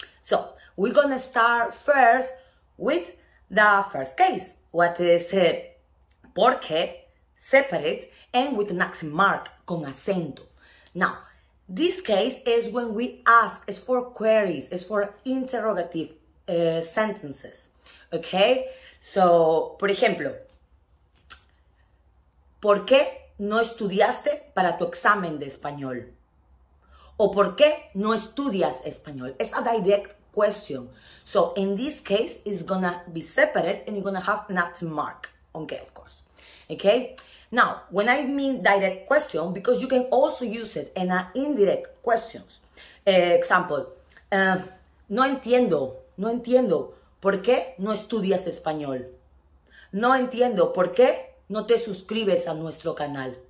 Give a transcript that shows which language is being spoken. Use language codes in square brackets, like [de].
[en] So, we're gonna start first with the first case. What is it? [es] ¿Por qué? [en] Separate and with an accent mark, [es] con acento. [en] Now, this case is when we ask, it's for queries, it's for interrogative sentences. Okay? So, [es] por ejemplo, ¿por qué no estudiaste para tu examen de español? O ¿por qué no estudias español? [en] It's a direct question. So, in this case, it's gonna be separate and you're gonna have an accent mark. Okay, of course. Okay? Now, when I mean direct question, because you can also use it in an indirect questions. [es] Example, no entiendo por qué no estudias español. No entiendo por qué no te suscribes a nuestro canal.